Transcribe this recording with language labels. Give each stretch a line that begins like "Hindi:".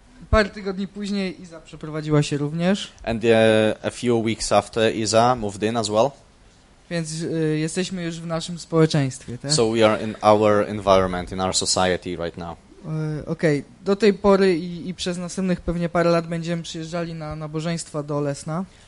Polish: Parę tygodni później Iza przeprowadziła się również.
English: And a few weeks after Iza moved in as well.
Polish: Więc jesteśmy już w naszym społeczeństwie, tak?
English: So we are in our environment, in our society right now. Okej, okay.
Polish: Do tej pory i przez następnych pewnie parę lat będziemy przyjeżdżali na nabożeństwa do Lesna.